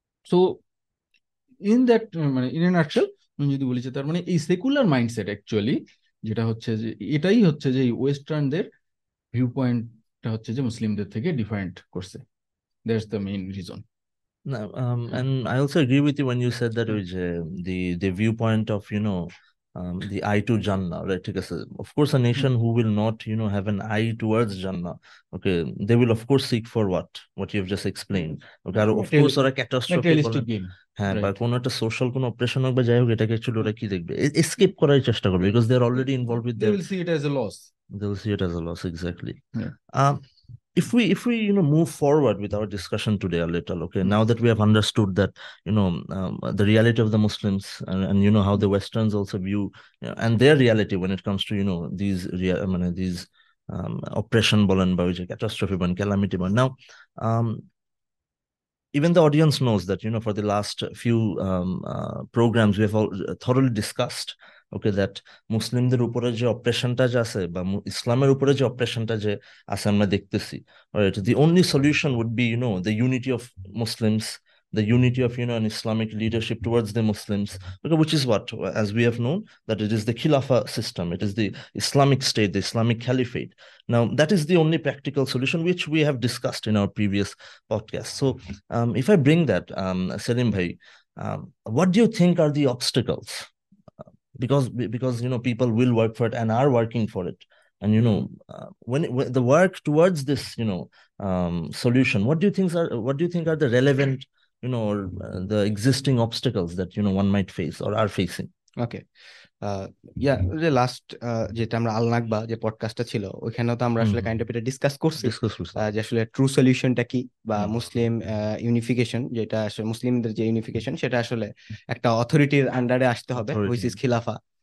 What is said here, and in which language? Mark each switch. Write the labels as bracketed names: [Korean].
[English] so in that [Bangla] মানে [English] in a nutshell [Bangla] আমি যদি বলি যে তার মানে এই সেকুলার মাইন্ডসেট অ্যাকচুয়ালি যেটা হচ্ছে যে এটাই হচ্ছে যে এই ওয়েস্টার্নদের ভিউ পয়েন্টটা হচ্ছে যে মুসলিমদের থেকে ডিফারেন্ট করছে, [English] That's the main reason. No, and I also agree with you when you said that with the viewpoint of, you know, the eye to Jannah, right? Because of course, a nation who will not, you know, have an eye towards Jannah, okay, they will of course seek for what you have just explained, okay, or of course, or a catastrophe. [Bangla] হ্যাঁ, বা কোনো একটা social কোনো operation হোক বা যাই হোক, এটাকে অ্যাকচুয়ালি ওরা কি দেখবে, এস্কেপ করার চেষ্টা করবে, [English] Because they are already involve with them, they will see it as a loss. Exactly. If we you know, move forward with our discussion today a little, okay, now that we have understood that, you know, the reality of the Muslims and you know how the Westerns also view, you know, and their reality when it comes to, you know, these real, I mean, these oppression [Bangla] bolan ba je [English] catastrophe ban calamity ban. Now even the audience knows that, you know, for the last few programs we have all thoroughly discussed, okay, that [Bangla] মুসলিমদের উপরে যে অপারেশনটা যে আছে বা ইসলামের উপরে যে অপারেশনটা যে আছে আমরা দেখতেছি, [English] The only solution would be, you know, the unity of Muslims, the unity of, you know, Islamic leadership towards the Muslims, okay, which is what as we have known that it is the খিলাফা system, it is the Islamic state, the Islamic caliphate. Now that is the only practical solution which we have discussed in our previous podcast. So if I bring that, Salim ভাই, what do you think are the obstacles? Because you know, people will work for it and are working for it, and you know, when the work towards this, you know, solution, what do you think are the relevant, you know, or the existing obstacles that, you know, one might face or are facing? [Bangla] Okay, যে last যেটা আমরা আল-নাকবা যে পডকাস্টটা ছিল ওইখানেও তো আমরা আসলে kind of এটা ডিসকাস করছি, যে আসলে ট্রু সলিউশনটা কি, বা মুসলিম ইউনিফিকেশন, যেটা আসলে মুসলিমদের যে ইউনিফিকেশন সেটা আসলে একটা অথরিটির আন্ডারে আসতে হবে, [English] which is [Bangla] খিলাফা।